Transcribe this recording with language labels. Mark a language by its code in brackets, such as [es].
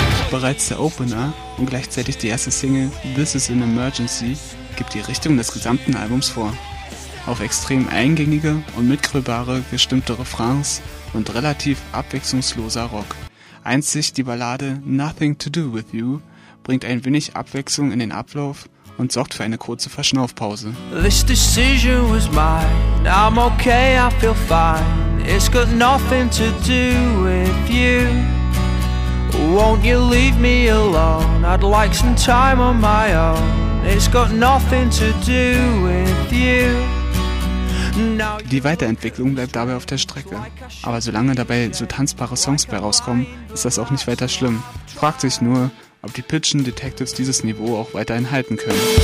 [de] Bereits der Opener und gleichzeitig die erste Single This Is An Emergency gibt die Richtung des gesamten Albums vor. Auf extrem eingängige und mitgrübbare gestimmte Refrains und relativ abwechslungsloser Rock. Einzig die Ballade Nothing To Do With You bringt ein wenig Abwechslung in den Ablauf und sorgt für eine kurze Verschnaufpause. [en] This decision was mine, I'm okay, I feel fine, it's got nothing to do with you. Won't you leave me alone? I'd like some time on my own. It's got nothing to do with you. [de] Die Weiterentwicklung bleibt dabei auf der Strecke. Aber solange dabei so tanzbare Songs bei rauskommen, ist das auch nicht weiter schlimm. Fragt sich nur, ob die Pigeon Detectives dieses Niveau auch weiterhin halten können.